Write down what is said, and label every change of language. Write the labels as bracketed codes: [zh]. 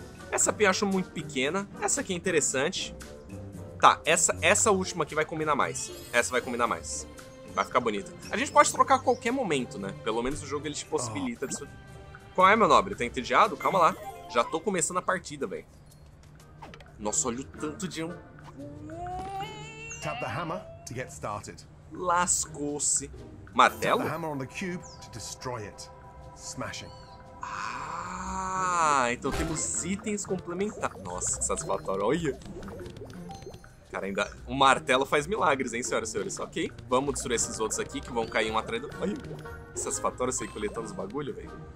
[pt] Essa pia eu acho muito pequena. Essa aqui é interessante. Tá, essa última aqui vai combinar mais. Essa vai combinar mais. Vai ficar bonita. A gente pode trocar a qualquer momento, né? Pelo menos o jogo ele te possibilita disso. Qual é, meu nobre? Tá entediado? Calma lá. Já tô começando a partida, velho. Nossa, olha o tanto de um. [en] Tap the hammer to get started. [pt] Lascou-se. Martelo? [en] Tap the hammer on the cube to destroy it. Smashing. [pt] Ah, então temos itens complementares. Nossa, que satisfatório. Olha. Cara, ainda o martelo faz milagres, hein, senhoras e senhores. Ok, vamos destruir esses outros aqui que vão cair um atrás do... Ai, essas fatoras aí coletando os bagulho, velho.